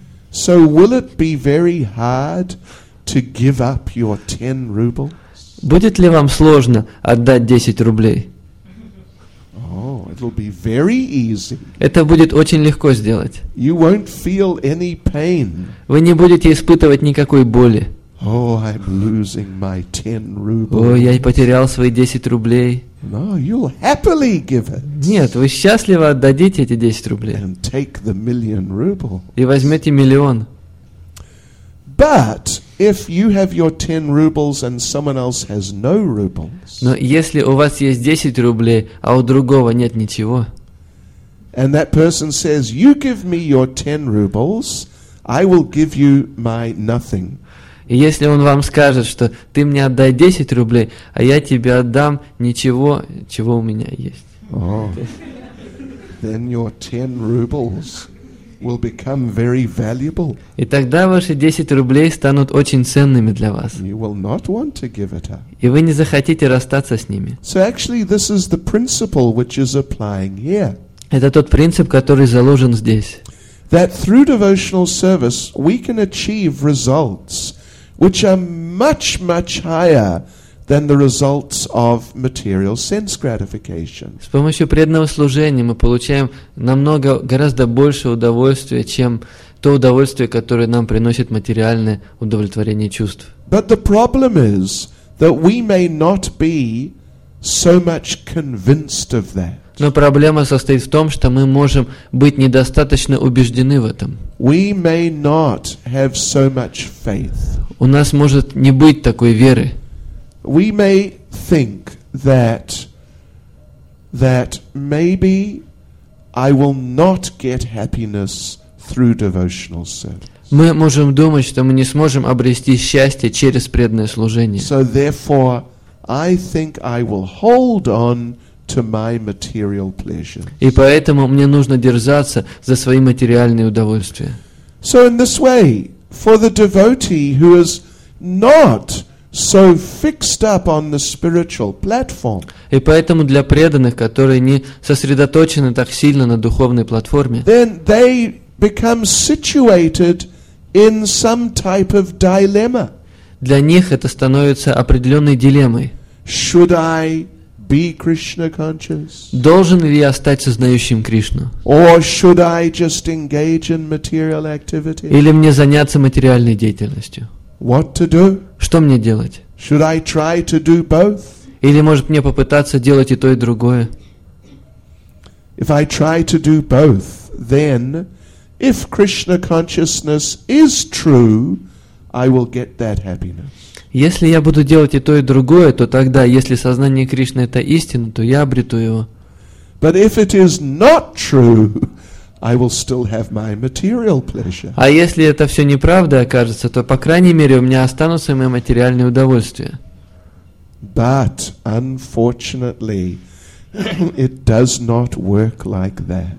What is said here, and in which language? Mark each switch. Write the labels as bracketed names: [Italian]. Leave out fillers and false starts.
[English] So will it be very hard to give up your 10 rubles? [Russian] Будет ли вам сложно отдать 10 рублей? [English] Oh, it will be very easy. [Russian] Это будет очень легко сделать. [English] You won't feel any pain. [Russian] Вы не будете испытывать никакой боли. [English] Oh, I'm losing my 10 rubles. [Russian] О, я потерял свои 10 рублей. [English] No, you'll happily give it. [Russian] Нет, вы счастливо отдадите эти 10 рублей. [English] And take the million rubles. [Russian] И возьмете миллион. [English] But if you have your 10 rubles and someone else has no rubles. [Russian] Но если у вас есть 10 рублей, а у другого нет ничего. [English] And that person says, "You give me your 10 rubles, I will give you my nothing." [Russian] И если он вам скажет, что ты мне отдай 10 рублей, а я тебе отдам ничего, чего у меня есть. [English] Then your 10 rubles will become very valuable. [Russian] И тогда ваши 10 рублей станут очень ценными для вас. [English] You will not want to give it up. [Russian] И вы не захотите расстаться с ними. [English] So actually this is the principle which is applying here. [Russian] Это тот принцип, который заложен здесь. [English] That through devotional service we can achieve results which are much, much higher than the results of material sense gratification. [Russian] С помощью преданного служения мы получаем намного, гораздо больше удовольствия, чем то удовольствие, которое нам приносит материальное удовлетворение чувств. [English] But the problem is that we may not be so much convinced of that. [Russian] Но проблема состоит в том, что мы можем быть недостаточно убеждены в этом. [English] We may not have so much faith. [Russian] У нас может не быть такой веры. [English] We may think that maybe I will not get happiness through devotional service. [Russian] Мы можем думать, что мы не сможем обрести счастье через преданное служение. [English] So therefore, I think I will hold on to my material pleasures. [Russian] И поэтому мне нужно держаться за свои материальные удовольствия. [English] So in this way, for the devotee who is not so fixed up on the spiritual platform. [Russian] И поэтому для преданных, которые не сосредоточены так сильно на духовной платформе, [English] then they become situated in some type of dilemma. [Russian] Для них это становится определенной дилеммой. [English] Should I be Krishna conscious? [Russian] Должен ли я стать сознающим Кришну? [English] Or should I just engage in material activity? [Russian] Или мне заняться материальной деятельностью? [English] What to do? [Russian] Что мне делать? [English] Should I try to do both? [Russian] Или может мне попытаться делать и то, и другое? [English] If I try to do both, then if Krishna consciousness is true, I will get that happiness. [Russian] Если я буду делать и то, и другое, то тогда, если сознание Кришны это истина, то я обрету его. [English] But if it is not true, I will still have my material pleasure. [Russian] А если это все неправда окажется, то по крайней мере у меня останутся мои материальные удовольствия. [English] But unfortunately, it does not work like that.